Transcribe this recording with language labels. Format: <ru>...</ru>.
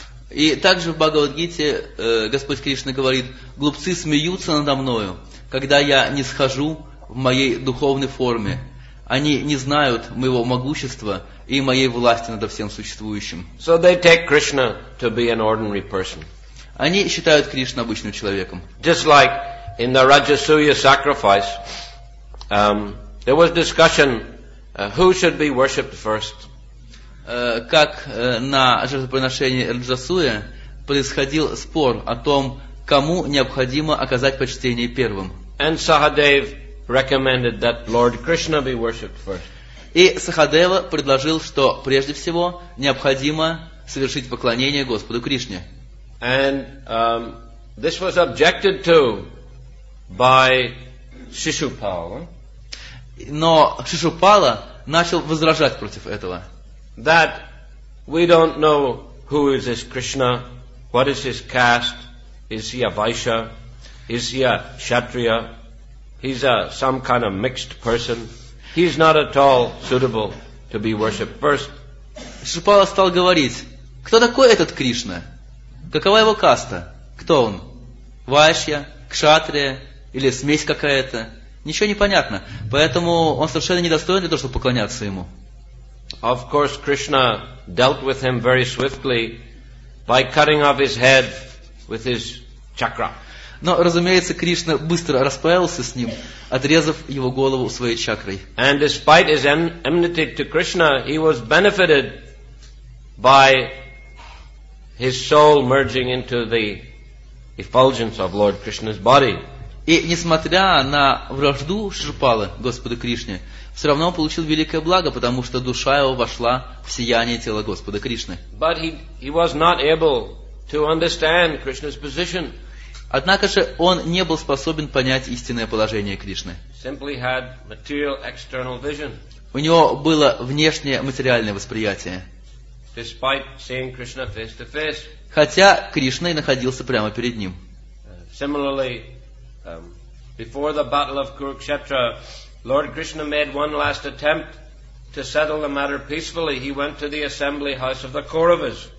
<ru>И также в Бхагавад-гите Господь Кришна говорит: глупцы смеются надо мною, когда я не схожу в моей духовной форме. Они не знают моего могущества и моей власти над всем существующим.</ru> <en>So they take Krishna to be an ordinary person.</en> <ru>Они считают Кришну обычным человеком.</ru> <en>Just like in the Rajasuya sacrifice, there was discussion who should be worshipped first.</en> <ru>Как на жертвоприношении Раджасуя происходил спор о том, кому необходимо оказать почтение первым.</ru> <en>And Sahadev recommended that Lord Krishna be worshipped first.</en> <ru>И Сахадева предложил, что прежде всего необходимо совершить поклонение Господу Кришне.</ru> <en>And this was objected to by Shishupal.</en> <ru>Но Шишупала начал возражать против этого.</ru> <en>That we don't know who is this Krishna, what is his caste, is he a Vaishya, is he a Kshatriya, he's a some kind of mixed person, he's not at all suitable to be worshipped first.</en> <ru>Шишупала стал говорить: кто такой этот Кришна? Какова его каста? Кто он? Вайшья, кшатрия или смесь какая-то? Ничего не понятно. Поэтому он совершенно недостоин для того, чтобы поклоняться ему.</ru> <en>Of course, Krishna dealt with him very swiftly by cutting off his head with his chakra.</en> <ru>Но, разумеется, Кришна быстро расправился с ним, отрезав его голову своей чакрой.</ru> <en>And despite his enmity to Krishna, he was benefited by his soul merging into the effulgence of Lord Krishna's body.</en> <ru>И несмотря на вражду Шишупалы Господу Кришне, все равно он получил великое благо, потому что душа его вошла в сияние тела Господа Кришны.</ru> <en>But he was not able to understand Krishna's position.</en> <ru>Однако же он не был способен понять истинное положение Кришны.</ru> <en>Simply had material external vision.</en> <ru>У него было внешнее материальное восприятие.</ru> <en>Despite seeing Krishna face to face.</en> <ru>Хотя Кришна и находился прямо перед ним.</ru> <en>Similarly, before the battle of Kurukshetra, Lord Krishna made one last attempt to settle the matter peacefully. He went to the assembly house of the Kauravas.</en>